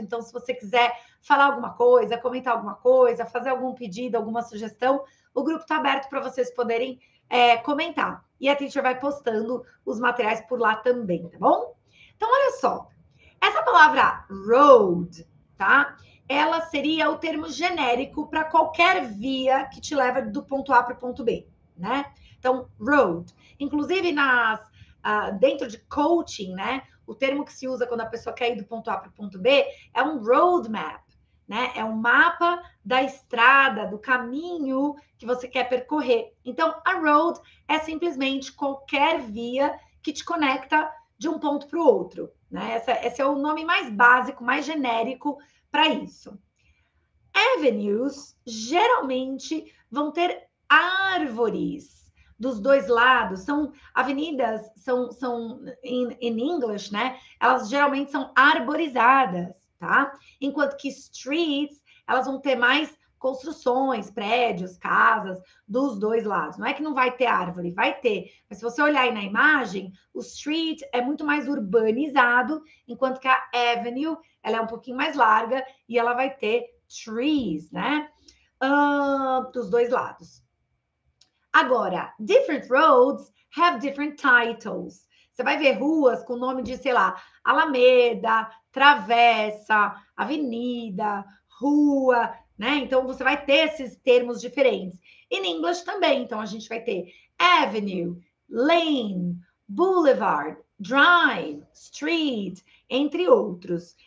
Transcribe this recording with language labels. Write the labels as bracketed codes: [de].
[pt] Então, se você quiser falar alguma coisa, comentar alguma coisa, fazer algum pedido, alguma sugestão, o grupo está aberto para vocês poderem comentar. E a teacher vai postando os materiais por lá também, tá bom? Então, olha só. Essa palavra road, tá? Ela seria o termo genérico para qualquer via que te leva do ponto A para o ponto B, né? Então, road. Inclusive, dentro de coaching, né? O termo que se usa quando a pessoa quer ir do ponto A para o ponto B é um roadmap, né? É um mapa da estrada, do caminho que você quer percorrer. Então, a road é simplesmente qualquer via que te conecta de um ponto para o outro, né? Esse é o nome mais básico, mais genérico para isso. Avenues geralmente vão ter árvores dos dois lados. São avenidas, são in English, né? Elas geralmente são arborizadas, tá? Enquanto que streets, elas vão ter mais construções, prédios, casas dos dois lados. Não é que não vai ter árvore, vai ter. Mas se você olhar aí na imagem, o street é muito mais urbanizado, enquanto que a avenue, ela é um pouquinho mais larga e ela vai ter trees, né? Dos dois lados. Agora, [en] different roads have different titles. [pt] Você vai ver ruas com o nome de, sei lá, Alameda, Travessa, Avenida, Rua, né? Então, você vai ter esses termos diferentes. In English também. Então, a gente vai ter avenue, lane, Boulevard, Drive, Street, entre outros.